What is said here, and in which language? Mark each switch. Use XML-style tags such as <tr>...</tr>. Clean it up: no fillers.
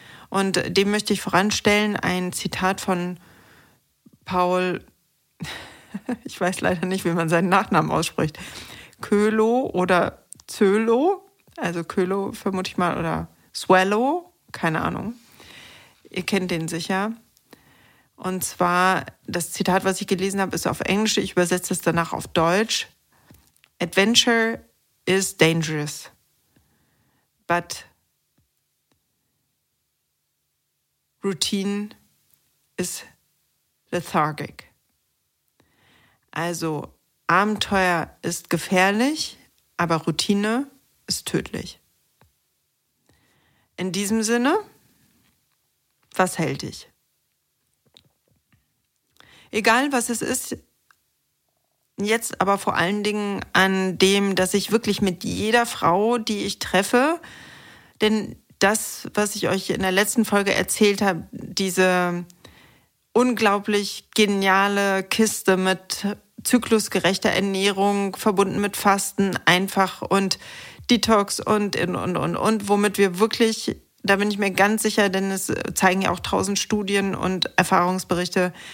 <de>Und dem möchte ich voranstellen ein Zitat von Paul, ich weiß leider nicht, wie man seinen Nachnamen ausspricht, Kölo oder Zölo, also Kölo vermute ich mal, oder Swallow, keine Ahnung. Ihr kennt den sicher. Und zwar, das Zitat, was ich gelesen habe, ist auf Englisch, ich übersetze es danach auf Deutsch.</de> <en>Adventure is dangerous, but routine is lethargic.</en> <de>Also Abenteuer ist gefährlich, aber Routine ist tödlich. In diesem Sinne, was hält dich? Egal, was es ist. Jetzt aber vor allen Dingen an dem, dass ich wirklich mit jeder Frau, die ich treffe, denn das, was ich euch in der letzten Folge erzählt habe, diese unglaublich geniale Kiste mit zyklusgerechter Ernährung, verbunden mit Fasten einfach und Detox und, womit wir wirklich, da bin ich mir ganz sicher, denn es zeigen ja auch 1000 Studien und Erfahrungsberichte,</de>